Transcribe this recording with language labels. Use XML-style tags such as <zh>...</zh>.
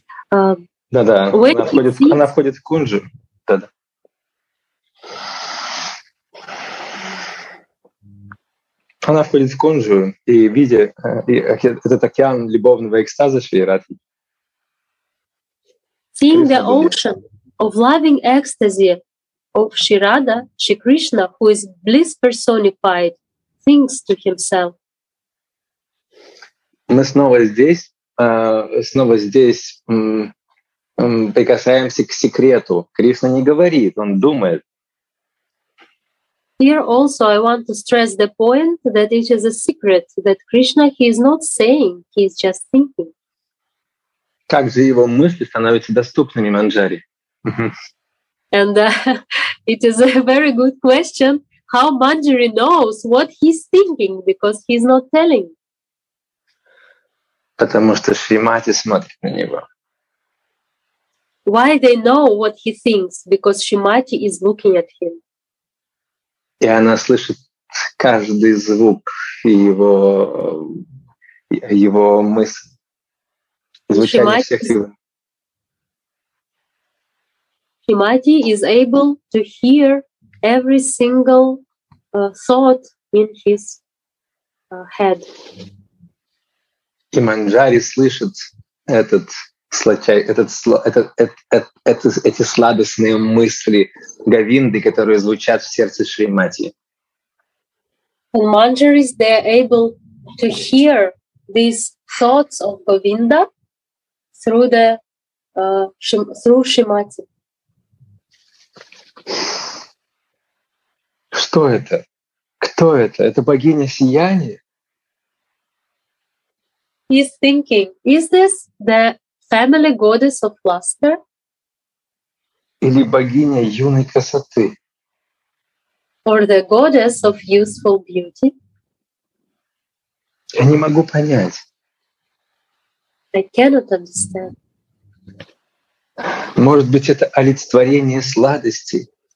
<ru>Да-да, она входит в кунджу. Да-да. Она входит в кунджу и видит этот океан любовного экстаза Шри Радхи.</ru> <en>Seeing the ocean of loving ecstasy of Shri Radha, Shri Krishna, who is bliss personified, thinks to himself.</en> <ru>Мы снова здесь прикасаемся к секрету. Кришна не говорит, он думает.</ru> <en>Here also I want to stress the point that it is a secret that Krishna, he is not saying, he is just thinking.</en> <ru>Как же его мысли становятся доступными Манджари?</ru> <en>And it is a very good question how Manjari knows what he's thinking because he's not telling.</en> <ru>Потому что Шримати смотрит на него.</ru> <en>Why they know what he thinks? Because Шримати is looking at him.</en> <ru>И она слышит каждый звук его, его мысли, звучание всех его.</ru> <en>Шримати is able to hear every single thought in his head.</en> <ru>И Манджари слышит эти сладостные мысли Говинды, которые звучат в сердце Шримати.</ru> <en>And Manjaris, they are able to hear these thoughts of Govinda through the through Шримати.</en> <ru>Что это? Кто это? Это богиня сияния?</ru> <en>He's thinking, is this the family goddess of luster?</en> <ru>Или богиня юной красоты?</ru> <en>Or the goddess of youthful beauty?</en> <ru>Я не могу понять.</ru> <en>I cannot understand.</en> <ru>Может быть, это олицетворение сладости.</ru>